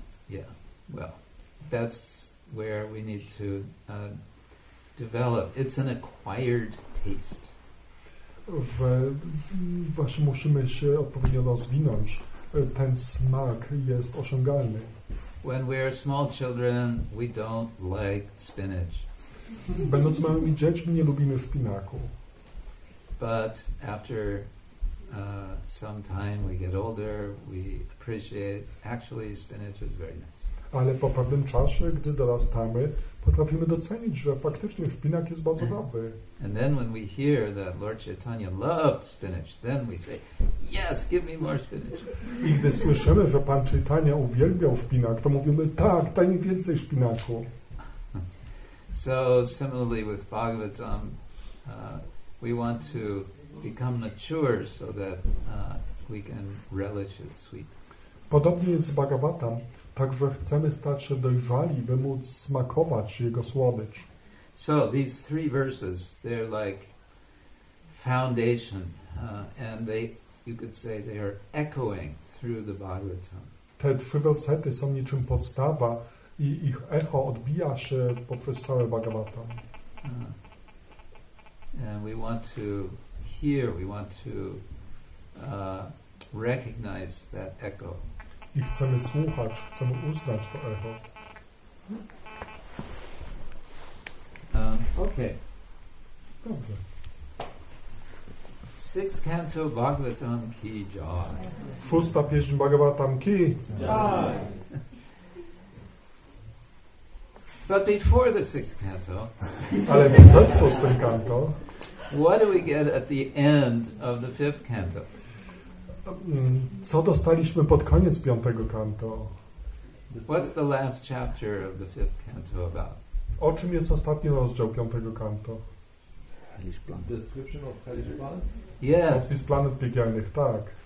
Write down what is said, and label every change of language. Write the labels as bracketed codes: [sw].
[en] Yeah, well, that's where we need to develop. It's an acquired taste. [pl] Że właśnie musimy się odpowiednio rozwinąć. Ten smak jest osiągalny. [en] When we are small children, we don't like spinach. [pl] Będąc małymi dziećmi, nie lubimy szpinaku. [en] But after some time, we get older, we appreciate. Actually, spinach is very nice. [pl] Ale po pewnym czasie, gdy dorastamy, potrafimy docenić, że faktycznie szpinak jest bardzo dobry. [en] And then when we hear that Lord Chaitanya loved spinach, then we say, yes, give me more spinach. [pl] I gdy słyszymy, że Pan Chaitanya uwielbiał szpinak, to mówimy, tak, daj mi więcej szpinaku. [en] So similarly with Bhagavatam, we want to become mature so that we can relish its sweetness. [pl] Podobnie jest z Bhagavatam. Także chcemy stać się dojrzali, by móc smakować jego słodycz. [en] So these three verses, they're like foundation, and they, you could say, they are echoing through the Bhagavatam. [pl] Te trzy wersety są niczym podstawa i ich echo odbija się poprzez całe Bhagavatam. [en] And we want to hear, we want to recognize that echo. [pl] I chcemy słuchać, chcemy uznać to echo. [en] Okay. [pl] Dobrze. [en] Sixth canto Bhagavatam [hi] ki jai. [pl] Szósta pieśń Bhagavatam ki [hi] jai. [en] But before the sixth canto, [pl] ale przed szóstym canto, [en] what do we get at the end of the fifth canto? [pl] Co dostaliśmy pod koniec piątego kanto? [en] What's the last chapter of the fifth canto about? [pl] O czym jest ostatni rozdział piątego kanto? [en] Hellish planet. Description of hellish planet? Yes. [pl] Opis planet piekielnych, tak.